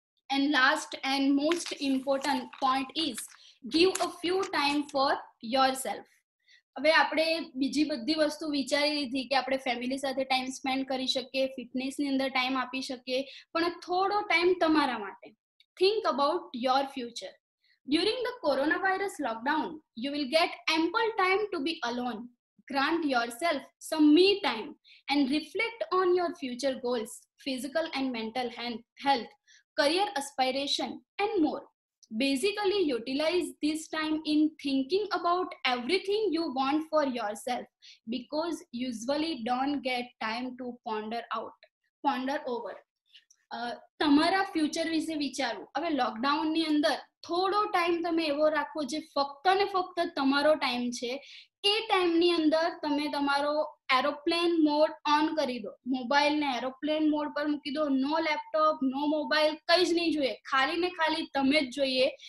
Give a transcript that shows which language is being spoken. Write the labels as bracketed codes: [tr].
[en] And last and most important point is give a few time for yourself. [gu] હવે આપણે બીજી બધી વસ્તુ વિચારી લીધી કે આપણે ફેમિલી સાથે ટાઈમ સ્પેન્ડ કરી શકીએ, ફિટનેસની અંદર ટાઈમ આપી શકીએ, પણ થોડો ટાઈમ તમારા માટે. [en] Think about your future. During the coronavirus lockdown, you will get ample time to be alone. Grant yourself some me time and reflect on your future goals, physical and mental health, career aspiration, and more. Basically, utilize this time in thinking about everything you want for yourself, because usually don't get time to ponder over. [gu] તમારા future વિશે વિચારવું. હવે લોકડાઉનની અંદર થોડો time તમે એવો રાખો જે ફક્ત ને ફક્ત તમારો ટાઈમ છે. એ ટાઈમની અંદર તમે તમારો એરોપ્લેન મોડ ઓન કરી દો, મોબાઈલને એરોપ્લેન મોડ પર મૂકી દો. નો લેપટોપ, નો મોબાઈલ, કંઈ જ નહીં જોઈએ, ખાલી ને ખાલી તમે જ જોઈએ.